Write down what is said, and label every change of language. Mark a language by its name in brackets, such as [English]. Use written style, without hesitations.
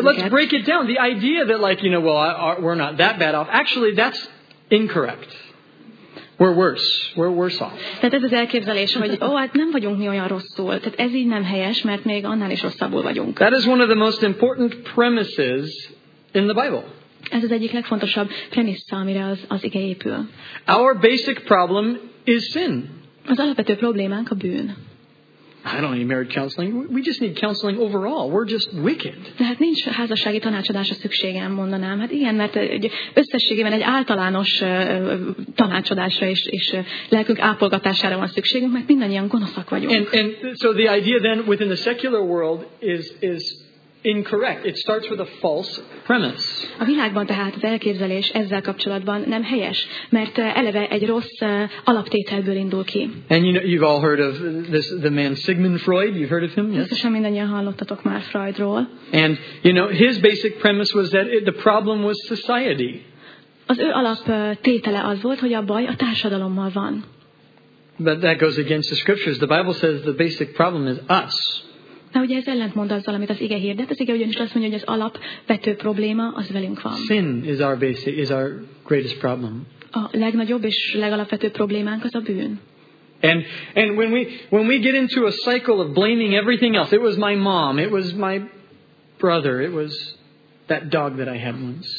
[Hungarian] őket. [English] But let's break it down. The idea that like, you know, well, we're not that bad off. Actually, that's incorrect. We're worse. We're worse off. [Hungarian] Tehát ez az elképzelés, hogy hát nem vagyunk mi olyan rosszul. Tehát ez így nem helyes, mert még annál is rosszabbul vagyunk. [English] That is one of the most important premises in the Bible. [Hungarian] Ez az egyik legfontosabb premissza, amire az ige épül. [English] Our basic problem is sin. [Hungarian] Az alapvető problémánk a bűn. [English] I don't need marriage counseling. We just need counseling overall. We're just wicked. [Hungarian] De hát nincs házassági tanácsadásra szükségem, mondanám. Hát igen, mert összességében egy általános tanácsadásra és lelkünk ápolgatására van szükségünk, mert mindannyian gonoszak vagyunk. [English] And so the idea then within the secular world is incorrect. It starts with a false premise. [Hungarian] A világban tehát az elképzelés ezzel kapcsolatban nem helyes, mert eleve egy rossz alaptételből indul ki. [English] And you know, you've all heard of this, the man Sigmund Freud. You've heard of him? Yes. [Hungarian] Biztosan mindannyian hallottatok már Freudról. [English] And you know, his basic premise was that the problem was society. [Hungarian] Az ő alaptétele az volt, hogy a baj a társadalommal van. [English] But that goes against the scriptures. The Bible says the basic problem is us. [Hungarian] Na ugye ez ellentmond azzal, amit az ige hirdet. Az ige ugyanis azt mondja, hogy az alapvető probléma az velünk van. [English] Sin is our basic, is our greatest problem. [Hungarian] A legnagyobb és legalapvető problémánk az a bűn. [English] And when we get into a cycle of blaming everything else, it was my mom, it was my brother, it was that dog that I had once.